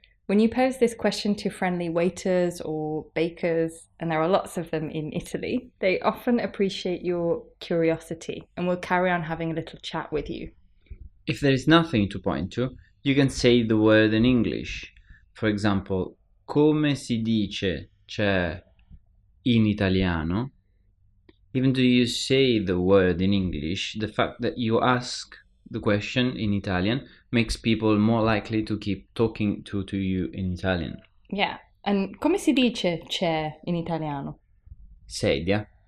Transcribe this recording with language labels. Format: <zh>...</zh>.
<en>When you pose this question to friendly waiters or bakers, and there are lots of them in Italy, they often appreciate your curiosity and will carry on having a little chat with you. If there is nothing to point to, you can say the word in English. For example,</en> <it>come si dice c'è in italiano?</it> <en>Even though you say the word in English, the fact that you ask the question in Italian makes people more likely to keep talking to you in Italian. Yeah, and</en> <it>come si dice c'è in italiano? Sedia.</it>